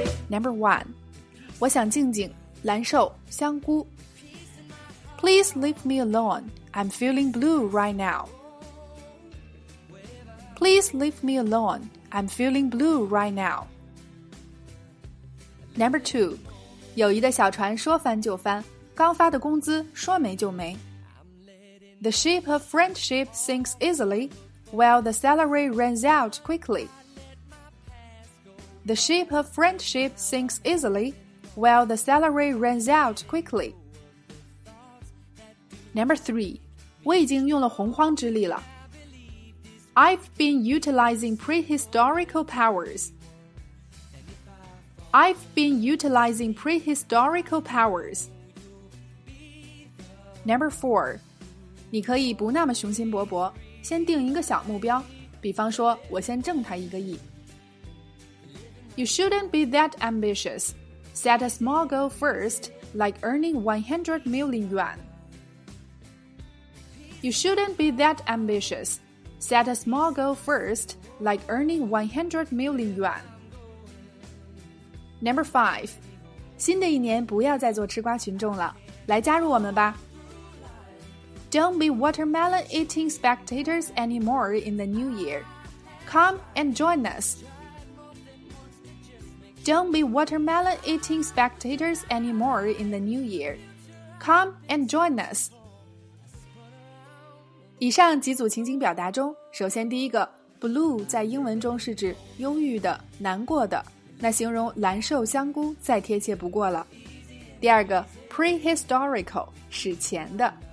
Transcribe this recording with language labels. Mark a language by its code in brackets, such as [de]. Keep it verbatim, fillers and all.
[en] Number one， [zh] 我想静静，蓝瘦，香菇。 [en] Please leave me alone. I'm feeling blue right now. Please leave me alone. I'm feeling blue right now. Number two。 [zh] 友谊的小船说翻就翻，刚发的工资说没就没。 [en] The ship of friendship sinks easily, while the salary runs out quickly. The ship of friendship sinks easily, while the salary runs out quickly. Number three， [zh] 我已经用了洪荒之力了。 [en] I've been utilizing prehistorical powers. I've been utilizing prehistorical powers. Number four， [zh] 你可以不那么雄心勃勃，先定一个小目标，比方说，我先挣他一个亿。 [en] You shouldn't be that ambitious. Set a small goal first, like earning one hundred million yuan. You shouldn't be that ambitious. Set a small goal first, like earning one hundred million yuan. Number five， [zh] 新的一年不要再做吃瓜群众了，来加入我们吧。 [en] Don't be watermelon eating spectators anymore in the new year. Come and join us. Don't be watermelon eating spectators anymore in the new year. Come and join us. [zh] 以上几组情景表达中，首先第一个 blue 在英文中是指忧郁的、难过的。那形容蓝瘦香菇再贴切不过了。第二个 prehistorical 史前的。